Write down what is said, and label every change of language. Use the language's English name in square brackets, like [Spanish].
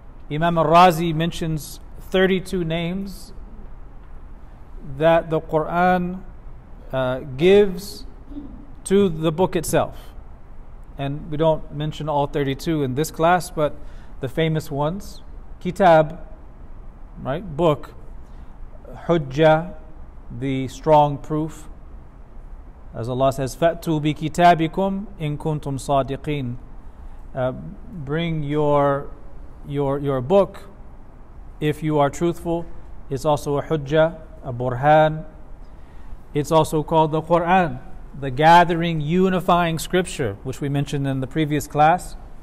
[English] Imam al-Razi mentions 32 names that the Quran gives to the book itself. And we don't mention all 32 in this class, but the famous ones, Kitab, right, book, Hujjah, the strong proof. As Allah says, [Arabic] فَأْتُوا بِكِتَابِكُمْ إِن كُنْتُمْ صَادِقِينَ. [English] Bring your book if you are truthful. It's also a hujjah, a burhan. It's also called the Qur'an, the gathering, unifying scripture, which we mentioned in the previous class.